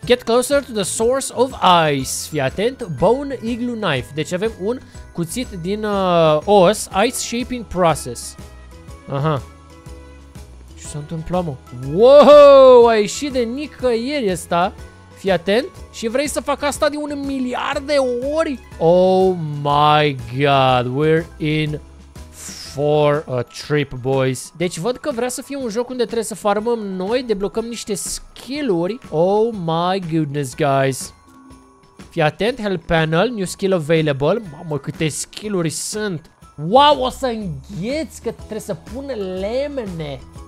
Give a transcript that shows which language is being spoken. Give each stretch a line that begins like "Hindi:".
English: Get closer to the source of ice.
Romanian: Fii atent,
English: bone igloo knife.
Romanian: Deci avem un cuțit din os.
English: Ice shaping process.
Romanian: Aha. Ce s-a întâmplat, mă? Wow, a ieșit de nicăieri ăsta. Fii atent. Și vrei să fac asta de un miliard de ori?
English: Oh my god, we're in for a trip, boys.
Romanian: Deci văd că vrea să fie un joc unde trebuie să farmăm noi, deblocăm niște skill-uri.
English: Oh my goodness, guys.
Romanian: Fii atent,
English: help panel, new skill available.
Romanian: Mamă, câte skill-uri sunt. Wow, o să îngheți că trebuie să pun lemne.